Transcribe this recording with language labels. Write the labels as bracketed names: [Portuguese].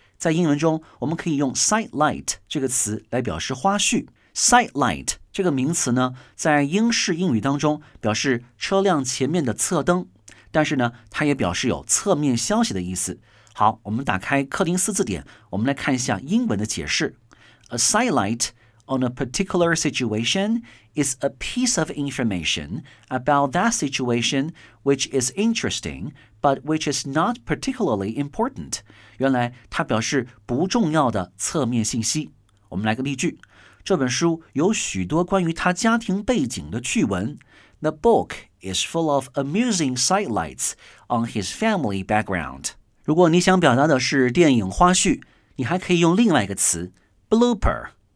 [Chinese] 在英文中我们可以用 sidelight 这个词来表示花絮。 sidelight 这个名词呢，在英式英语当中表示车辆前面的侧灯，但是呢，它也表示有侧面消息的意思。好，我们打开柯林斯字典，我们来看一下英文的解释。 [English] A sidelight on a particular situation is a piece of information about that situation which is interesting but which is not particularly important. [Chinese] 原来它表示不重要的侧面信息。我们来个例句，这本书有许多关于他家庭背景的趣闻。 [English] The book is full of amusing sidelights on his family background. [Chinese] 如果你想表达的是电影花絮，你还可以用另外一个词 blooper。